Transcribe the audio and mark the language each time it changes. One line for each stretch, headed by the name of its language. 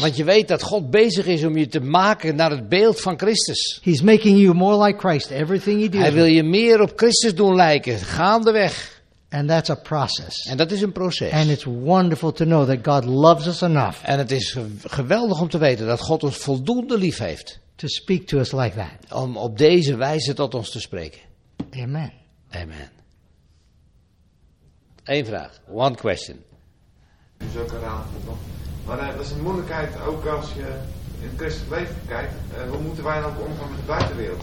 Dutch: Want je weet dat God bezig is om je te maken naar het beeld van Christus.
English: He's making you more like Christ. Everything he does.
Dutch: Hij wil je meer op Christus doen lijken, gaandeweg.
English: And that's a process.
Dutch: En dat is een proces.
English: And it's wonderful to know that God loves us enough.
Dutch: En het is geweldig om te weten dat God ons voldoende lief heeft.
English: To speak to us like that.
Dutch: Om op deze wijze tot ons te spreken.
English: Amen.
Dutch: Amen. Eén vraag.
English: One question.
Dutch: Dat is ook een raadsel. Maar dat is een moeilijkheid ook als je in het christelijk leven kijkt, hoe moeten wij dan omgaan met de buitenwereld?